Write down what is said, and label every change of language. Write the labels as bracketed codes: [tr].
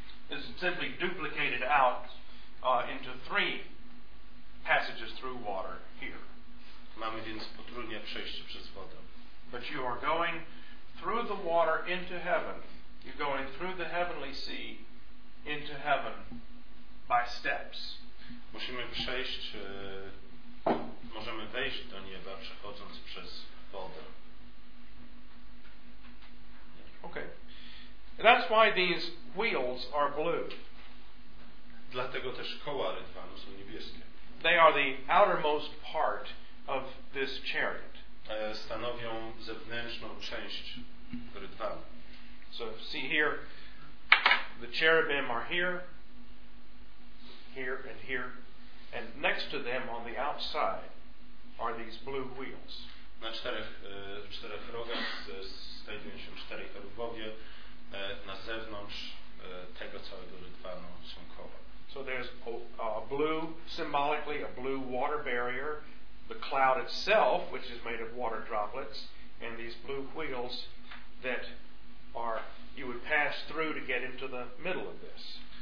[en] It's simply duplicated out into three passages through water here. [pl] Mamy więc potrójne przejście przez wodę. [en] But you are going through the water into heaven. You're going through the heavenly sea into heaven by steps. [pl] Musimy przejść, możemy wejść do nieba przechodząc przez wodę. [en] Okay. That's why these wheels are blue. [pl] Dlatego też koła rydwanu są niebieskie. [en] They are the outermost part of this chariot. [pl] Stanowią zewnętrzną część rydwanu. [en] So see here, the cherubim are here, here and here, and next to them on the outside are these blue wheels. [pl] Na czterech rogach znajdują się cztery cherubowie. Na zewnątrz tego całego rydwanu są koła. [en] So there's a blue, symbolically a blue water barrier, the cloud itself, which is made of water droplets, and these blue wheels that are you would pass through to get into the middle of this.